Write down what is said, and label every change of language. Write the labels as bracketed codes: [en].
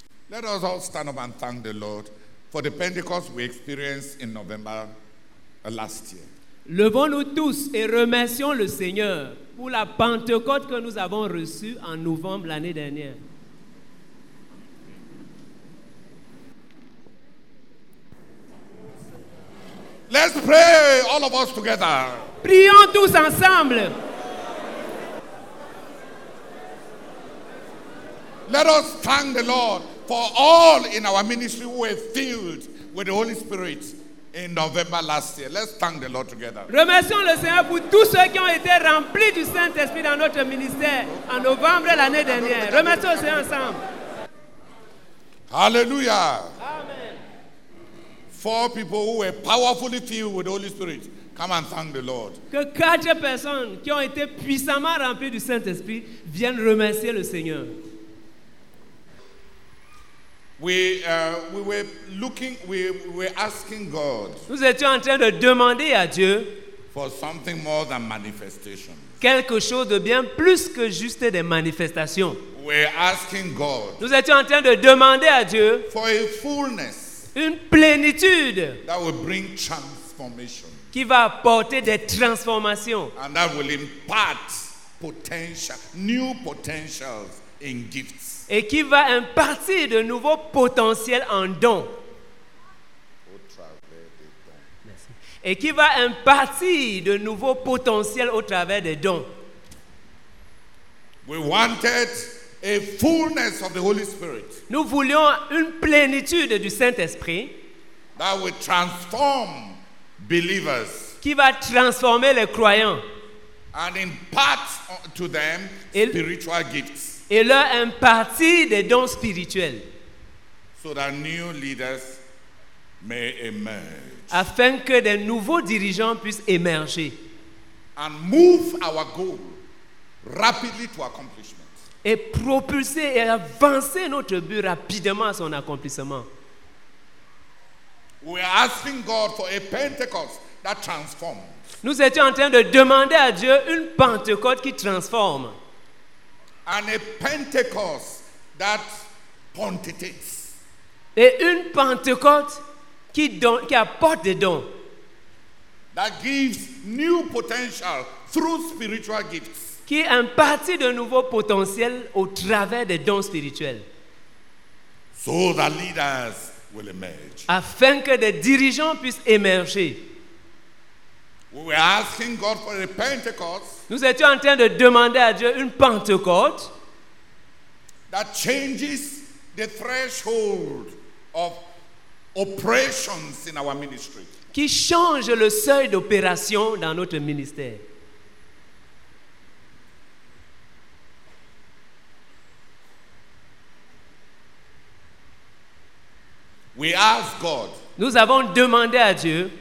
[en] Let us all stand up and thank the Lord for the Pentecost we experienced in November last year. [fr] Levons-nous tous et remercions le Seigneur pour la Pentecôte que nous avons reçue en novembre l'année dernière. [en] Let's pray all of us together. [fr] Prions tous ensemble. [en] Let us thank the Lord for all in our ministry who were filled with the Holy Spirit in November last year. Let's thank the Lord together. [fr] Remercions le Seigneur pour tous ceux qui ont été remplis du Saint-Esprit dans notre ministère en novembre l'année dernière. Remercions le Seigneur ensemble. Hallelujah. Amen. [en] Four people who were powerfully filled with the Holy Spirit, come and thank the Lord. [fr] Que quatre personnes qui ont été puissamment remplies du Saint-Esprit viennent remercier le Seigneur. [en] We were asking God [fr] nous étions en train de demander à Dieu [en] for something more than manifestation. [fr] Quelque chose de bien plus que juste des manifestations. [en] We're asking God. [fr] Nous étions en train de demander à Dieu [en] for a fullness. [fr] Une plénitude. [en] That will bring transformation. [fr] Qui va apporter des transformations. [en] And that will impart potential, new potentials in gifts. [fr] Et qui va impartir de nouveaux potentiels en dons. Et qui va impartir de nouveaux potentiels au travers des dons. [en] We wanted a fullness of the Holy Spirit. [fr] Nous voulions une plénitude du Saint-Esprit. [en] That will transform believers. [fr] Qui va transformer les croyants. [en] And impart to them spiritual gifts. [fr] Et leur impartir des dons spirituels. [en] So that new leaders may emerge. [fr] Afin que des nouveaux dirigeants puissent émerger. [en] And move our goal rapidly to accomplishment. [fr] Et propulser et avancer notre but rapidement à son accomplissement. [en] We are asking God for a Pentecost that transforms. [fr] Nous étions en train de demander à Dieu une Pentecôte qui transforme. [en] And a Pentecost that pontificates. [fr] Et une Pentecôte qui apporte des dons. [en] That gives new potential through spiritual gifts. [fr] Qui impartit de nouveaux potentiels au travers des dons spirituels. [en] So the leaders will emerge. [fr] Afin que des dirigeants puissent émerger. [en] We were asking God for a Pentecost. [fr] Nous étions en train de demander à Dieu une Pentecôte. [en] That changes the threshold of operations in our ministry. [fr] Qui change le seuil d'opération dans notre ministère. [en] We ask God. [fr] Nous avons demandé à Dieu.